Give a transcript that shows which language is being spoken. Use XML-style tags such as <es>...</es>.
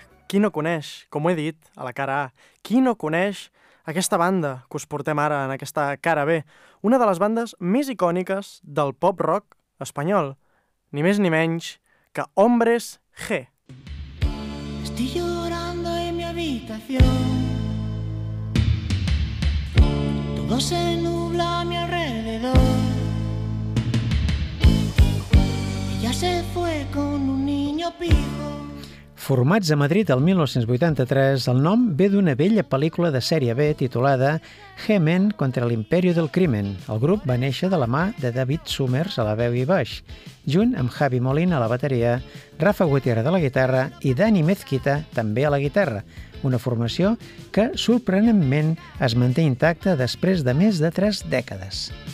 <ca>Qui no coneix, com ho he dit, a la cara A, qui no coneix aquesta banda que us portem ara en aquesta cara B, una de les bandes més icòniques del pop-rock espanyol, ni més ni menys que Hombres G.</ca> <es>Estoy llorando en mi habitación. Todo se nubla a mi alrededor. Ella se fue con un niño pijo.</es> <ca>Formats a Madrid el 1983, el nom ve d'una vella pel·lícula de sèrie B titulada G-Men contra l'Imperio del Crimen. El grup va néixer de la mà de David Summers a la veu i baix, junt amb Javi Molina a la bateria, Rafa Gutiérrez a la guitarra i Dani Mezquita també a la guitarra, una formació que sorprenentment es manté intacta després de més de 3 dècades.</ca>